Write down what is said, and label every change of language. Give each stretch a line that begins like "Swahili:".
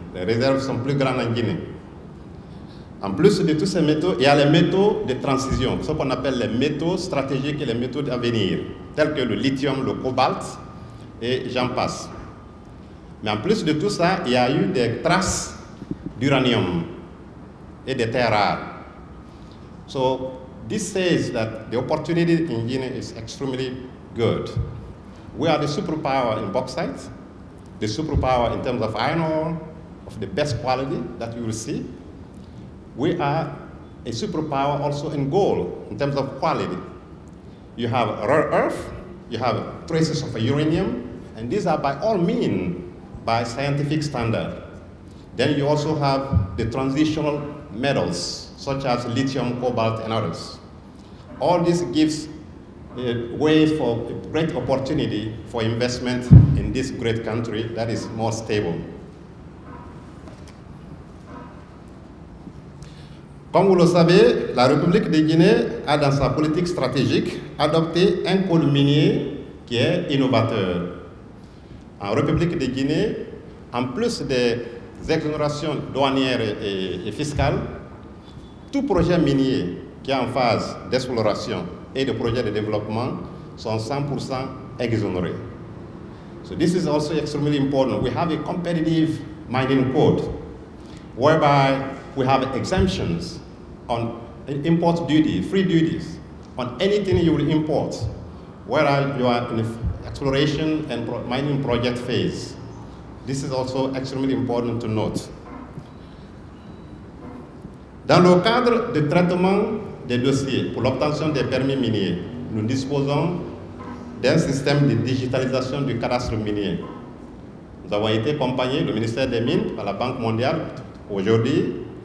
French: Les réserves sont plus grandes en Guinée. En plus de tous ces métaux, il y a les métaux de transition, ce qu'on appelle les métaux stratégiques et les métaux d'avenir, tels que le lithium, le cobalt et j'en passe. Mais en plus de tout ça, il y a eu des traces d'uranium et des terres rares.
English: So, this says that the opportunity in Guinea is extremely good. We are the superpower in bauxite, the superpower in terms of iron ore, of the best quality that you will see. We are a superpower also in gold, in terms of quality. You have rare earth, you have traces of uranium, and these are by all means by scientific standard. Then you also have the transitional metals, such as lithium, cobalt, and others. All this gives a way for a great opportunity for investment in this great country that is more stable.
French: Comme vous le savez, la République de Guinée a dans sa politique stratégique adopté un code minier qui est innovateur. En République de Guinée, en plus des exonérations douanières et fiscales, tout projet minier qui est en phase d'exploration et de projet de développement sont 100% exonérés.
English: So this is also extremely important. We have a competitive mining code whereby we have exemptions on import duty, free duties, on anything you will import, whether you are in exploration and mining project phase. This is also extremely important to note.
French: Dans le cadre de traitement des dossiers pour l'obtention des permis miniers, nous disposons d'un système de digitalisation du cadastre minier. Nous avons été accompagnés, le ministère des Mines, par la Banque mondiale aujourd'hui.